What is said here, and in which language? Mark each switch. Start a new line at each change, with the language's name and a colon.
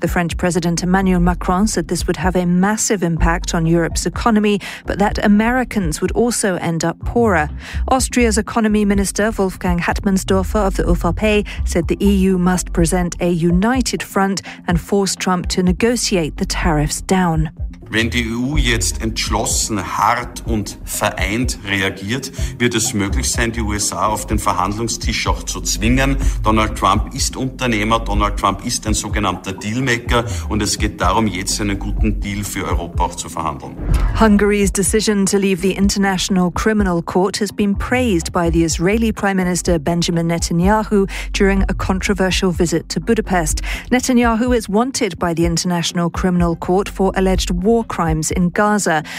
English: The French President Emmanuel Macron said this would have a massive impact on Europe's economy, but that Americans would also end up poorer. Austria's economy minister Wolfgang Hatmansdorf of the ÖVP said the EU must present a united front and force Trump to negotiate the tariffs down.
German: Wenn die EU jetzt entschlossen, hart und vereint reagiert, wird es möglich sein, die USA auf den Verhandlungstisch auch zu zwingen. Donald Trump ist Unternehmer, Donald Trump ist ein sogenannter Dealmaker und es geht darum, jetzt einen guten Deal für Europa auch zu verhandeln.
English: Hungary's decision to leave the International Criminal Court has been praised by the Israeli Prime Minister Benjamin Netanyahu during a controversial visit to Budapest. Netanyahu is wanted by the International Criminal Court for alleged war crimes in Gaza.